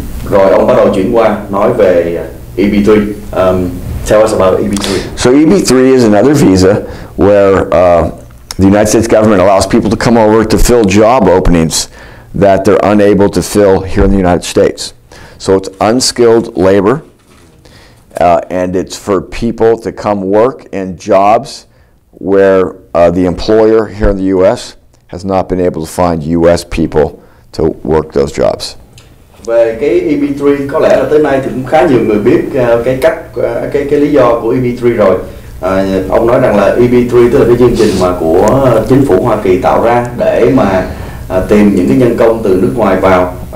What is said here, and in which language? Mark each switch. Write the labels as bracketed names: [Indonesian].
[Vietnamese] Rồi ông bắt đầu chuyển qua nói về EB-3. [English] Tell us about EB-3. So EB-3 is another visa where the United States government allows people to come over to fill job openings that they're unable to fill here in the United States. So it's unskilled labor, and it's for people to come work in jobs where the employer here in the U.S. has not been able to find U.S. people to work those jobs. [Vietnamese] Về cái EB-3, có lẽ là tới nay thì cũng khá nhiều người biết cái lý do của EB-3 rồi. Ông nói rằng là EB-3 tức là cái chương trình mà của chính phủ Hoa Kỳ tạo ra để mà tìm những cái nhân công từ nước ngoài vào.